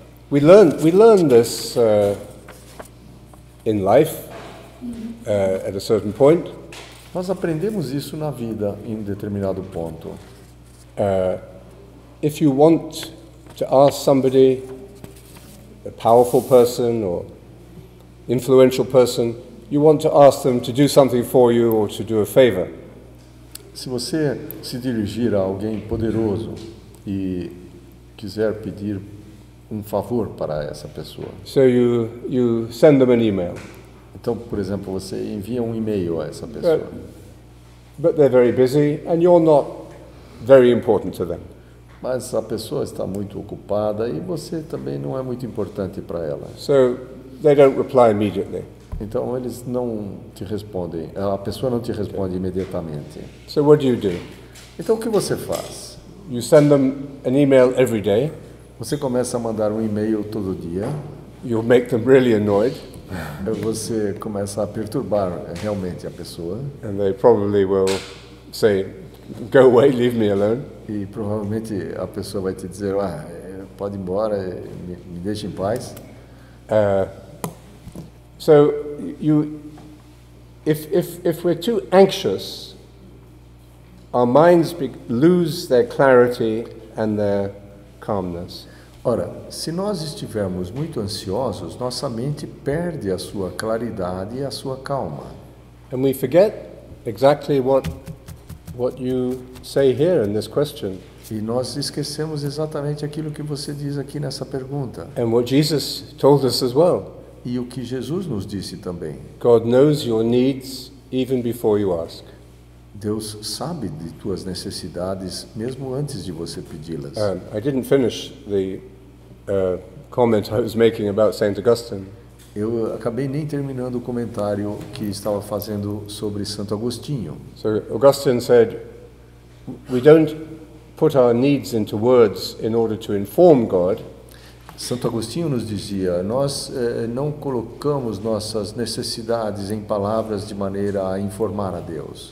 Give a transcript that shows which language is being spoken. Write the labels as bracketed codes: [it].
[en] We learn this in life at a certain point. [pt] Nós aprendemos isso na vida em determinado ponto. [en] If you want to ask somebody, a powerful person or influential person, you want to ask them to do something for you or to do a favor. [pt] Se você se dirigir a alguém poderoso e quiser pedir um favor para essa pessoa. [en] So you send them an email. [pt] Então, por exemplo, você envia um e-mail a essa pessoa. [en] But they're very busy and you're not very important to them. [pt] Mas a pessoa está muito ocupada e você também não é muito importante para ela. [en] So they don't reply immediately. [pt] Então eles não te respondem. A pessoa não te responde imediatamente. [en] So what do you do? [pt] Então o que você faz? [en] You send them an email every day. [pt] Você começa a mandar um e-mail todo dia. [en] You make them really annoyed. [pt] Você começa a perturbar realmente a pessoa. [en] And they probably will say, "Go away, leave me alone." [pt] E provavelmente a pessoa vai te dizer, "Ah, pode ir embora, me deixa em paz." [en] So you, if we're too anxious, our minds lose their clarity and their calmness. [pt] Ora, se nós estivermos muito ansiosos, nossa mente perde a sua claridade e a sua calma. [en] And we forget exactly what you say here in this question. [pt] E nós esquecemos exatamente aquilo que você diz aqui nessa pergunta. [en] And what Jesus told us as well. [pt] E o que Jesus nos disse também. [en] God knows your needs even before you ask. [pt] Deus sabe de tuas necessidades mesmo antes de você pedi-las. [en] I didn't finish the comment I was making about Saint Augustine. [pt] Eu acabei nem terminando o comentário que estava fazendo sobre Santo Agostinho. [en] So Augustine said, we don't put our needs into words in order to inform God. [pt] Santo Agostinho nos dizia, nós não colocamos nossas necessidades em palavras de maneira a informar a Deus.